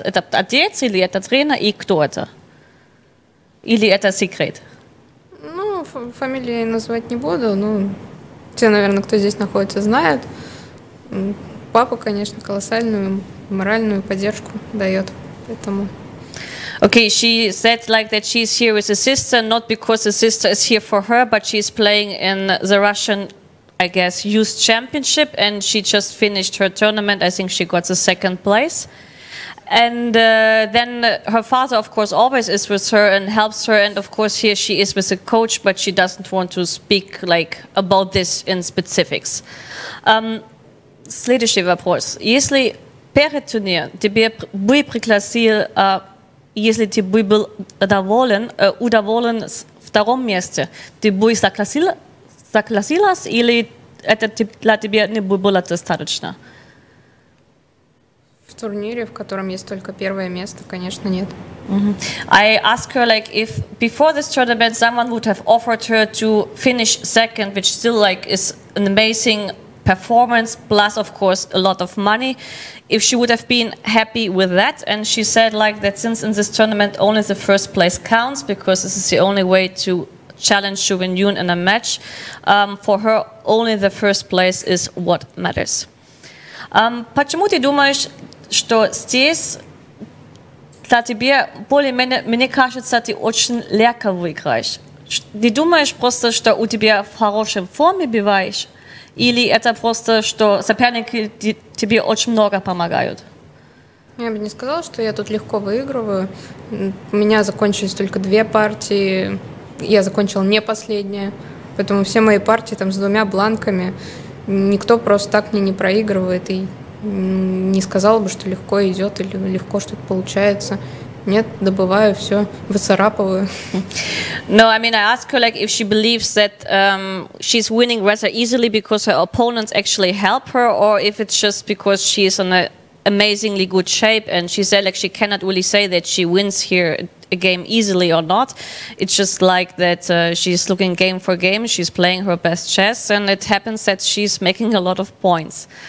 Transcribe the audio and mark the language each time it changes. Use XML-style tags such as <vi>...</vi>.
<ru>Это отец или это тренер, и кто это? Или это секрет? Ну, фамилии я называть не буду. Ну, те, наверное, кто здесь находится, знают. Папа, конечно, колоссальную моральную поддержку дает. Поэтому...</ru> <en>Okay, she said like that she's here with her sister, not because her sister is here for her, but she's playing in the Russian, I guess, youth championship, and she just finished her tournament. I think she got the second place. And then her father, of course, always is with her and helps her. And of course, here she is with a coach, but she doesn't want to speak like about this in specifics.</en> <ru>Следующий вопрос. Если перед турниром тебе вы пригласили... Если ты бы был доволен, удоволен с втором месте, ты бы согласилась или это для тебя не было достаточно? В турнире, в котором есть только первое место, конечно, нет.</ru> <en>I asked her, like, if before this tournament someone would have offered her to finish second, which still, like, is an amazing performance, plus, of course, a lot of money, if she would have been happy with that. And she said, like, that since in this tournament only the first place counts, because this is the only way to challenge Xu Wenyun in a match, for her only the first place is what matters.</en> <ru>Почему ты думаешь, что здесь для тебя более-менее, мне кажется, ты очень легко выиграешь? Ты думаешь просто, что у тебя в хорошей форме бываешь? Или это просто, что соперники тебе очень много помогают? Я бы не сказала, что я тут легко выигрываю. У меня закончились только две партии. Я закончила не последняя. Поэтому все мои партии там с двумя бланками. Никто просто так мне не проигрывает. И не сказала бы, что легко идет или легко что-то получается. Нет, добываю все, выцарапываю.</ru> <en>No, I mean, I asked her, like, if she believes that she's winning rather easily because her opponents actually help her, or if it's just because she's in an amazingly good shape, and she said, like, she cannot really say that she wins here a game easily or not. It's just like that she's looking game for game, she's playing her best chess, and it happens that she's making a lot of points.</en>